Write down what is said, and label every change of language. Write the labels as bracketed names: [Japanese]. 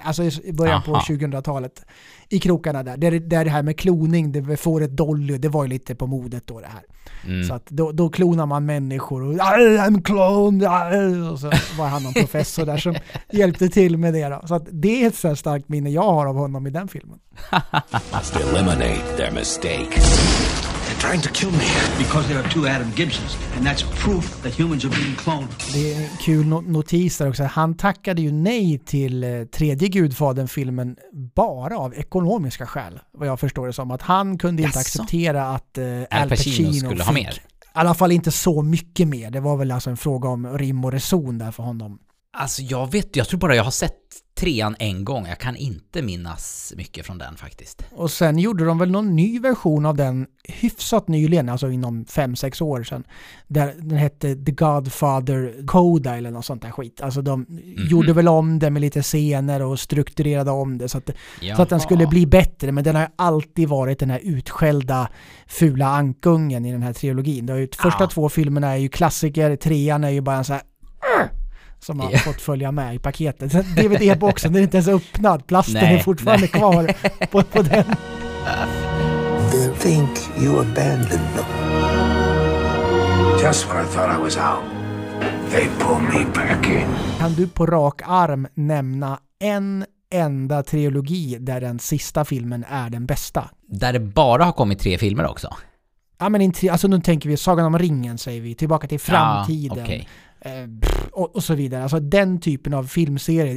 [Swedish] Alltså i början på 2000-talet. I krokarna där. Där det här med kloning, det får ett Dolly, det var ju lite på modet då det här. Mm. Så att då klonar man människor och [English] I'm cloned, [Swedish] och så var han någon professor där som hjälpte till med det då. Så att det är ett så starkt minne jag har av honom i den filmen. [English] To eliminate their mistake. They're trying to kill me because there are two Adam Gibsons, and that's proof that humans are being cloned. [Swedish] Det är en kul notis där också. Han tackade ju nej till tredje Gudfadern-filmen bara av ekonomiska skäl, vad jag förstår det som. Att han kunde inte acceptera att Al Pacino skulle ha mer. I alla fall inte så mycket mer. Det var väl alltså en fråga om rim och reson där för honom. Alltså jag vet, jag tror bara jag har sett trean en gång. Jag kan inte minnas mycket från den faktiskt. Och sen gjorde de väl någon ny version av den hyfsat nyligen, alltså inom 5-6 år sedan. Där den hette The Godfather Coda eller något sånt där skit. Alltså de gjorde väl om det med lite scener och strukturerade om det så att den skulle bli bättre. Men den har ju alltid varit den här utskällda fula ankungen i den här trilogin. De första två filmerna är ju klassiker, trean är ju bara en så här... som har fått följa med i paketet. DVD-boxen är inte ens öppnad. Plasten är fortfarande kvar på den. [English] They think you abandoned them. Just when I thought I was out, they pull me back in. [Swedish] Kan du på rak arm nämna en enda trilogi där den sista filmen är den bästa? Där det bara har kommit tre filmer också? Ja, men nu tänker vi Sagan om ringen, säger vi. Tillbaka till framtiden. Ja, okej. Okay. Och så vidare. Alltså den typen av filmserie.